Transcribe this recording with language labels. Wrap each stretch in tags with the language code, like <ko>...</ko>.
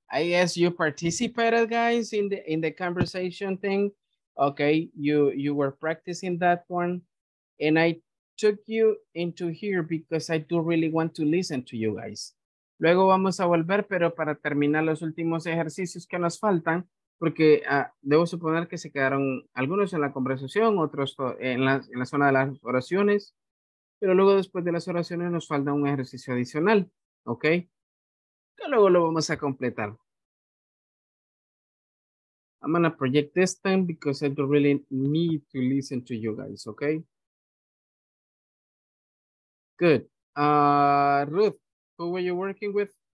<en>I guess you participated, guys, in the conversation thing. Okay, you were practicing that one, and I took you into here because I do really want to listen to you guys.</en> <es>Luego vamos a volver, pero para terminar los últimos ejercicios que nos faltan, porque debo suponer que se quedaron algunos en la conversación, otros en la zona de las oraciones, pero luego después de las oraciones nos falta un ejercicio adicional, ¿ok? Que luego lo vamos a completar.</es> <en>I'm gonna project this time because I do really need to listen to you guys, ¿ok? Good. Ruth, who were you working with?</en>